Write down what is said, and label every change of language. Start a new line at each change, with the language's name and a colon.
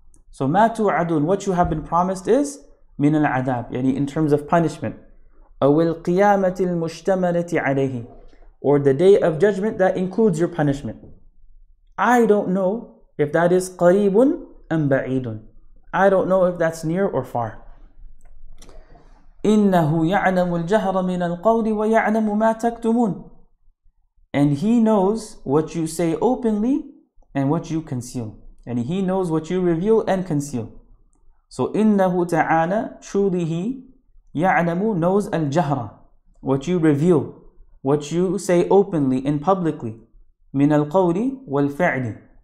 English: So
Arabic: ما توعدون,
English: what you have been promised is
Arabic: من العذاب,
English: يعني in terms of punishment.
Arabic: أو القيامة المشتملة عليه,
English: or the day of judgment that includes your punishment. I don't know if that is
Arabic: قريب أم بعيد.
English: I don't know if that's near or far.
Arabic: إنه يعلم الجهر من القول ويعلم ما تكتمون.
English: And He knows what you say openly and what you conceal. And He knows what you reveal and conceal. So,
Arabic: إِنَّهُ تَعَالَى,
English: truly He, يَعْلَمُ, knows al-jahra, what you reveal, what you say openly and publicly,
Arabic: مِنَ الْقَوْلِ وَالْفَعْلِ.